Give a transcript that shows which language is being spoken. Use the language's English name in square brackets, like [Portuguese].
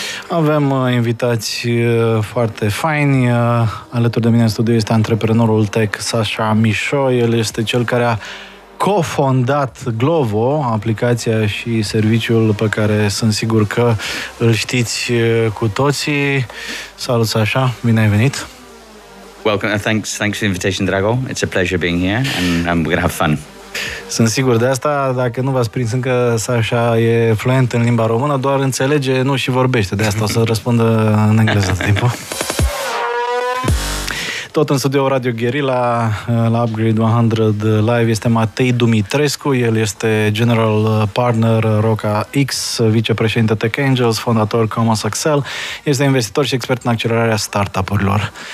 [Romanian] Avem invitați foarte faini. Alături de mine în studio este antreprenorul tech Sacha Michaud. El este cel care a cofondat Glovo, aplicația și serviciul pe care sunt sigur că îl știți cu toții. Salut, Sacha, bine ai venit! [English] Welcome and thanks for the invitation, Drago. It's a pleasure being here and we're going to have fun. [Romanian] Sunt sigur de asta, dacă nu v-ați prins încă, Sasha e fluent în limba română, doar înțelege, nu și vorbește, de asta o să răspundă în engleză tot timpul. Tot în studio Radio Guerilla, la Upgrade 100 Live, este Matei Dumitrescu, el este General Partner RocaX, vicepreședinte Tech Angels, fondator CUM, este investitor și expert în accelerarea startup-urilor.